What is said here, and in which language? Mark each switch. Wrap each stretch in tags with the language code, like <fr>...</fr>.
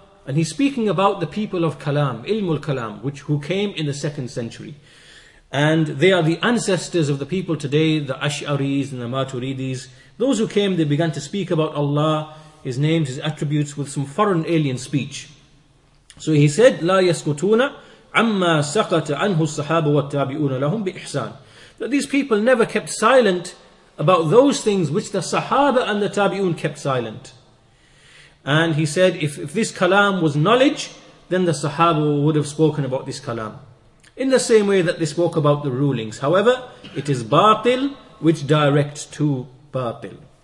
<en>And he's speaking about the people of Kalam, Ilmul Kalam, which who came in the second century. And they are the ancestors of the people today, the Ash'aris and the Maturidis. Those who came, they began to speak about Allah, His names, His attributes, with some foreign alien speech. So he said,</en> <ar>لا يسكتون عما سقط عنه الصحابة والتابعون لهم بإحسان.</ar> <en>That these people never kept silent about those things which the Sahaba and the Tabi'un kept silent. And he said, if this kalam was knowledge, then the Sahaba would have spoken about this kalam. In the same way that they spoke about the rulings. However, it is batil which directs to batil.</en>